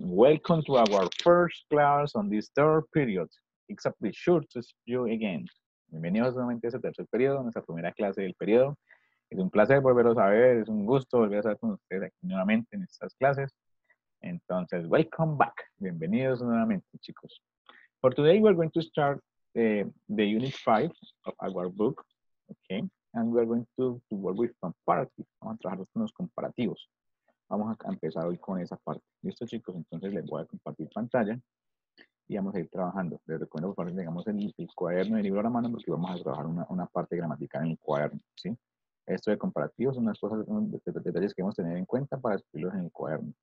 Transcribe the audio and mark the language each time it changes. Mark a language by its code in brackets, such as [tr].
[en] Welcome to our first class on this third period. It's a pleasure to see you again. [es] Bienvenidos nuevamente a este tercer periodo, nuestra primera clase del periodo. Es un placer volveros a ver, es un gusto volver a estar con ustedes aquí nuevamente en estas clases. Entonces, [en] welcome back. [es] Bienvenidos nuevamente, chicos. [en] For today, we're going to start the unit 5 of our book. Okay, and we're going to work with comparatives. [es] Vamos a trabajar con los comparativos. Vamos a empezar hoy con esa parte. ¿Listo, chicos? Entonces, les voy a compartir pantalla y vamos a ir trabajando. Les recomiendo, por favor, que tengamos el cuaderno y el libro a la mano porque vamos a trabajar una parte gramatical en el cuaderno, ¿sí? Esto de comparativos son unas cosas, detalles que hemos tenido en cuenta para escribirlos en el cuaderno.